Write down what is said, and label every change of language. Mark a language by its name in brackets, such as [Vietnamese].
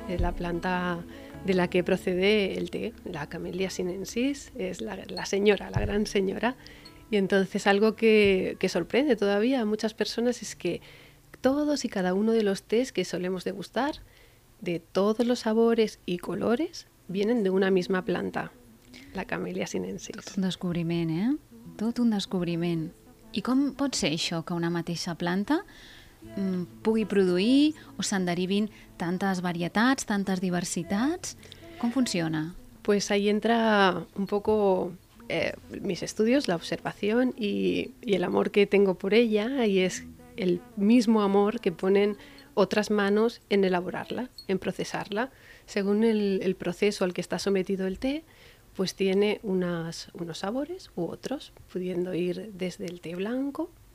[Spanish] Es la planta de la que procede el té. La Camellia sinensis es la señora, la gran señora. Y entonces algo que sorprende todavía a muchas personas es que todos y cada uno de los tés que solemos degustar, de todos los sabores y colores, vienen de una misma planta, la Camellia sinensis. [Catalan] Tot un descobriment, ¿eh? Tot un descobriment. I com pot ser això, que una mateixa planta pugui produir o se'n derivin tantes varietats, tantes diversitats? Com funciona? [Spanish] Pues ahí entra un poco mis estudios, la observación y el amor que tengo por ella, y es el mismo amor que ponen otras manos en elaborarla, en procesarla. Según el proceso al que está sometido el té, pues tiene unos sabores u otros, pudiendo ir desde el té blanco